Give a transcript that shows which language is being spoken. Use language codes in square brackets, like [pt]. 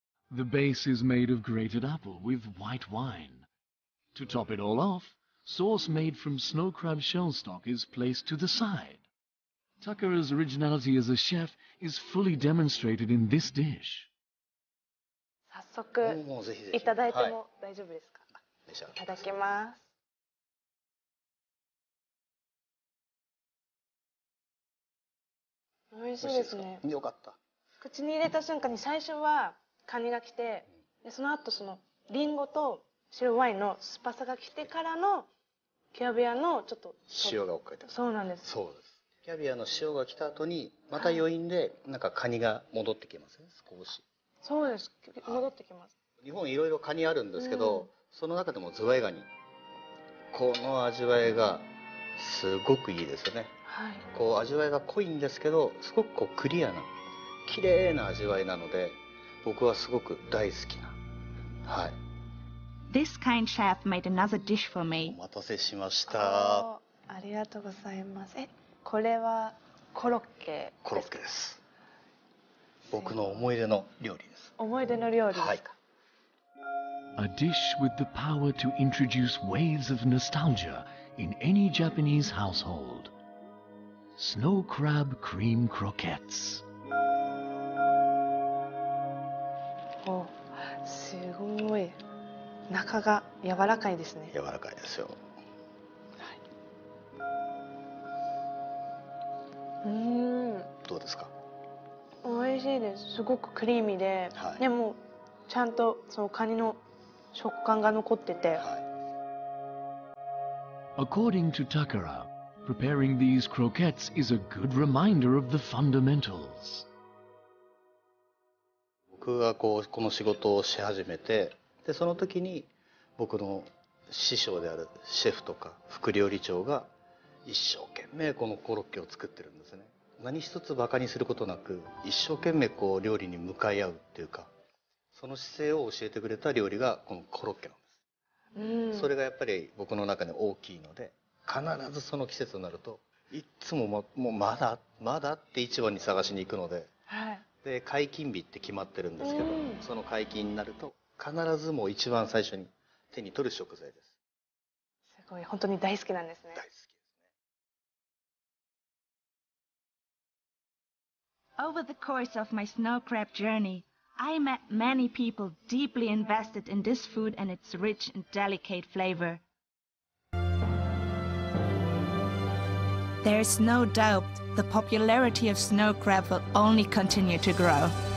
[en] The base is made of grated apple with white wine. To top it all off, sauce made from snow crab shell stock is placed to the side. Takara's originality as a chef is fully demonstrated in this dish. [ja] 早速、いただいても大丈夫ですか？はい。いただきます。美味しいですね。よかった。口に入れた瞬間に最初はカニが来て、でその後そのリンゴと白ワインの酸っぱさが来てからのキャビアのちょっと塩が追っかけてそうなんです。そうです、キャビアの塩が来た後にまた余韻でなんかカニが戻ってきますね、少し。そうです、戻ってきます。日本いろいろカニあるんですけど、うん、その中でもズワイガニ、この味わいがすごくいいですよね、はい、こう味わいが濃いんですけどすごくこうクリアな綺麗な味わいなので僕はすごく大好きな、はい。 [en] This kind chef made another dish for me. [ja] お待たせしました。ありがとうございます。これはコロッケ。コロッケです、僕の思い出の料理です。思い出の料理ですか、はい。 [en] A dish with the power to introduce waves of nostalgia in any Japanese household. Snow crab cream croquettes. [ja] お、すごい。中が柔らかいですね。柔らかいですよ。はい。どうですか？美味しいです。すごくクリーミーで、はい、でもちゃんとそのカニの食感が残ってて、はい、 [en] According to Takara, preparing these croquettes is a good reminder of the fundamentals. [ja] 僕がこうこの仕事をし始めて、でその時に僕の師匠であるシェフとか副料理長が一生懸命このコロッケを作ってるんですね。何一つバカにすることなく一生懸命こう料理に向かい合うっていうか、その姿勢を教えてくれた料理がこのコロッケなんです、うん、それがやっぱり僕の中で大きいので、必ずその季節になるといつも もうまだまだって市場に探しに行くので、はい、で解禁日って決まってるんですけど、うん、その解禁になると必ずもう一番最初に手に取る食材です。すごい、本当に大好きなんですね。大好きですね。 [en] Over the course of my snow crab journeyI met many people deeply invested in this food and its rich and delicate flavor. There is no doubt the popularity of snow crab will only continue to grow.